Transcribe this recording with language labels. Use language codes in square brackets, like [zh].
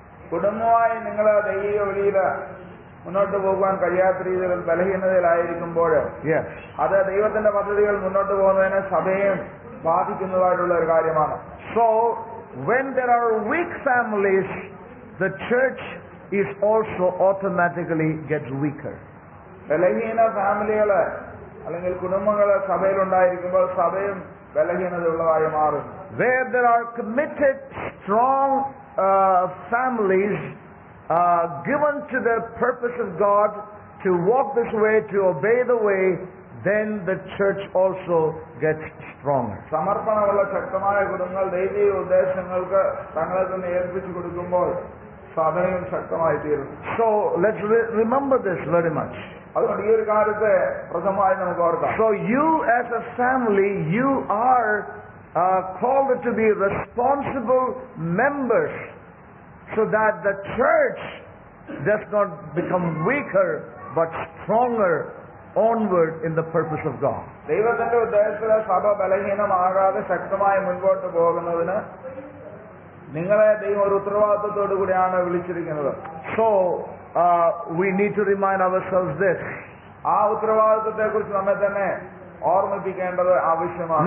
[ml] കുടുംബമായി നിങ്ങൾ ദൈവിക വെളിയിൽ മുന്നോട്ട് പോകുവാൻ കഴിയാത്ത രീതിയിൽ ബലഹീനതയിലായിരിക്കുമ്പോൾ അത് ദൈവത്തിന്റെ പദ്ധതികൾ മുന്നോട്ട് പോകുന്നതിന് സഭയെ ബാധിക്കുന്നതായിട്ടുള്ള ഒരു കാര്യമാണ്. [en] So when there are weak families the church is also automatically get weaker. [ml] ബലഹീന ഫാമിലികൾ അല്ലെങ്കിൽ കുടുംബങ്ങൾ സഭയിലുണ്ടായിരിക്കുമ്പോൾ സഭയും ബലഹീനതയുള്ളതായി മാറുന്നു. [en] Where there are committed strong families given to the purpose of God to walk this way, to obey the way, then the church also gets strong. [ml] സമർപ്പണമുള്ള ശക്തമായ കുടുംബങ്ങൾ ദൈവിക ഉദ്ദേശങ്ങൾക്ക് തങ്ങളെ തന്നെ ഏൽപ്പിച്ചു കൊടുക്കുമ്പോൾ സഭയും ശക്തമായി തീരുന്നു. [en] So let's remember this very much. [ml] അതുകൊണ്ട് ഈ ഒരു കാര്യത്തെ പ്രഥമമായി നമുക്ക് ഓർക്കാം. [en] So you as a family, you are called to be responsible members so that the church does not become weaker but stronger onward in the purpose of God. [ml] ദൈവത്തിന്റെ ഉദ്ദേശത്തിൽ സഭ ബലഹീനമാകാതെ ശക്തമായി മുൻപോട്ട് പോകുന്നതിന് നിങ്ങളെ ദൈവം ഒരു ഉത്തരവാദിത്വത്തോടു കൂടിയാണ് വിളിച്ചിരിക്കുന്നത്. [en] So we need to remind ourselves this. [ml] ആ ഉത്തരവാദിത്വത്തെ കുറിച്ച് നമ്മെ തന്നെ ഓർമ്മിപ്പിക്കേണ്ടത് ആവശ്യമാണ്.